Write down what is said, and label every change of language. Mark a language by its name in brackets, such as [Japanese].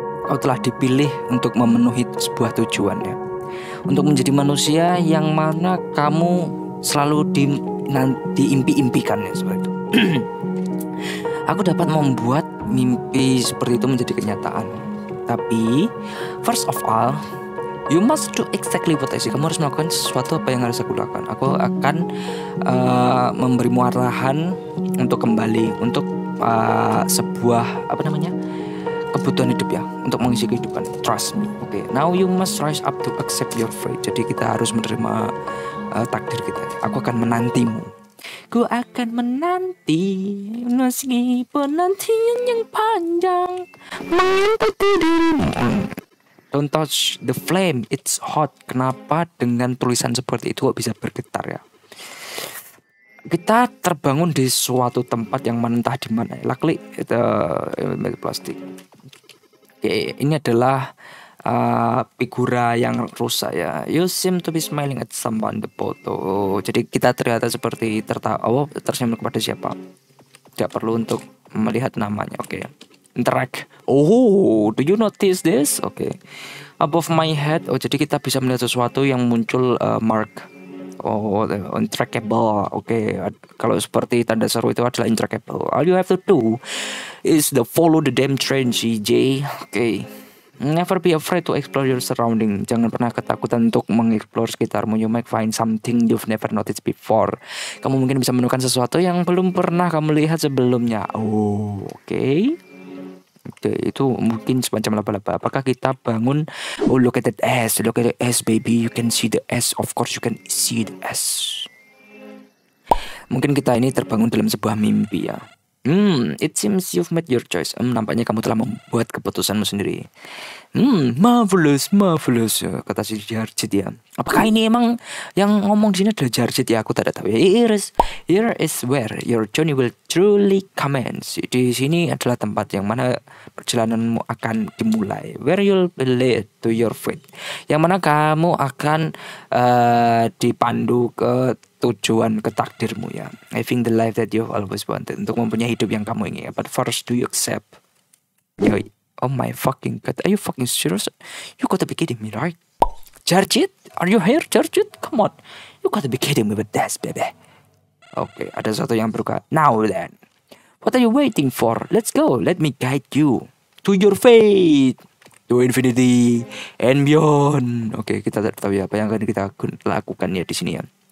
[Indonesian] Kau telah dipilih untuk memenuhi sebuah tujuan ya. Untuk menjadi manusia yang mana kamu selalu diimpi-impikan ya, seperti itu. Aku dapat membuat mimpi seperti itu menjadi kenyataan. [English] Tapi first of all, you must do exactly what I say. [Indonesian] Kamu harus melakukan sesuatu apa yang harus aku lakukan. Aku akan memberimu arahan untuk kembali untuk sebuah apa namanya kebutuhan hidup ya, untuk mengisi kehidupan. [English] Trust me. Okay. Now you must rise up to accept your fate. [Indonesian] Jadi kita harus menerima takdir kita. Aku akan menantimu. Ku akan menanti meskipun nantian yang panjang mengintai dirimu. [English] Don't touch the flame, it's hot. [Indonesian] Kenapa dengan tulisan seperti itu kok bisa bergetar ya? Kita terbangun di suatu tempat yang mentah di mana? [English] Luckily, it's plastic. [Indonesian] Oke, okay, ini adalah figura yang rusak ya. [English] You seem to be smiling at someone in the photo. [Indonesian] Jadi kita ternyata seperti tersenyum kepada siapa? Tidak perlu untuk melihat namanya. [English] Oke. Okay. Interact. Oh, do you notice this? Oke. Okay. Above my head. [Indonesian] Oh, jadi kita bisa melihat sesuatu yang muncul mark. Oh, intractable. Oke. Okay. Kalau seperti tanda seru itu adalah intractable. [English] All you have to do is the follow the damn train, CJ. Oke. Okay. Never be afraid to explore your surrounding. [Indonesian] Jangan pernah ketakutan untuk mengeksplor sekitarmu. [English] You might find something you've never noticed before. [Indonesian] Kamu mungkin bisa menemukan sesuatu yang belum pernah kamu lihat sebelumnya. Oh, oke. Okay. Oke, itu mungkin semacam laba-laba. Apakah kita bangun? [English] Oh, look at that ass. Look at the ass, baby. You can see the ass. Of course you can see the ass. [Indonesian] Mungkin kita ini terbangun dalam sebuah mimpi ya. [English] It seems you've made your choice. [Indonesian] Nampaknya kamu telah membuat keputusanmu sendiri. Marvelous. Kata si Jarjit ya. Apakah ini emang yang ngomong di sini adalah Jarjit ya? Aku tidak tahu ya. [English] Here is where your journey will truly commence. [Indonesian] Di sini adalah tempat yang mana perjalananmu akan dimulai. [English] Where you'll be led to your fate. [Indonesian] Yang mana kamu akan dipandu ke tujuan, ke takdirmu ya. [English] Having the life that you've always wanted. [Indonesian] Untuk mempunyai hidup yang kamu ingin. [English] But first, do you accept? Yoi. Oh my fucking god, are you fucking serious? You gotta be kidding me, right? Jarjit, are you here, Jarjit? Come on, you gotta be kidding me with this, baby. [Indonesian] Oke, okay, ada sesuatu yang berubah. [English] Now then, what are you waiting for? Let's go, let me guide you to your fate, to infinity and beyond. [Indonesian] Oke, okay, kita tidak tahu ya apa yang akan kita lakukan ya di sini ya.